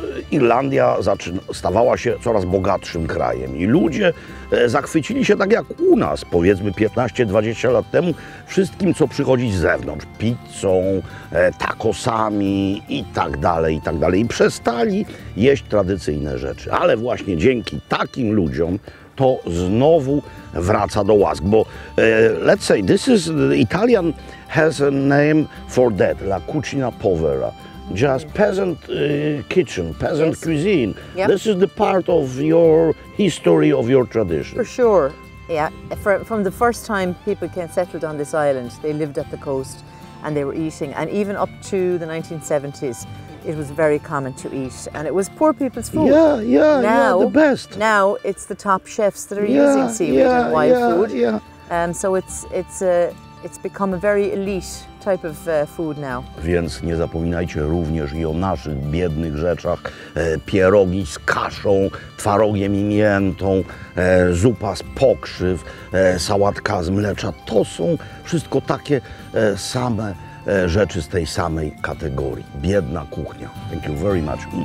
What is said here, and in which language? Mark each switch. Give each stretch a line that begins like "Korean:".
Polish: Irlandia stawała się coraz bogatszym krajem i ludzie zachwycili się tak jak u nas, powiedzmy 15-20 lat temu, wszystkim, co przychodzi z zewnątrz, pizzą, tacosami i tak dalej, i tak dalej. I przestali jeść tradycyjne rzeczy, ale właśnie dzięki takim ludziom to znowu wraca do łask, bo
English: let's say this is, the Italian has a name for that,
Italian: la cucina povera.
English: Just peasant kitchen, peasant cuisine. Yep. This is the part of your history, of your tradition. For sure, yeah. From the first time people came settled on this island, they lived at the coast and they were eating. And even up to the 1970s, it was very common to eat. And it was poor people's food. Now, the best. Now it's the top chefs that are using seaweed and wild food. Yeah. And so it's become a very elite type of food now.
Polish: Więc nie zapominajcie również i o naszych biednych rzeczach. Pierogi z kaszą, twarogiem i miętą, zupa z pokrzyw, sałatka z mlecza. To są wszystko takie same rzeczy z tej samej kategorii. Biedna kuchnia.
English: Thank you very much.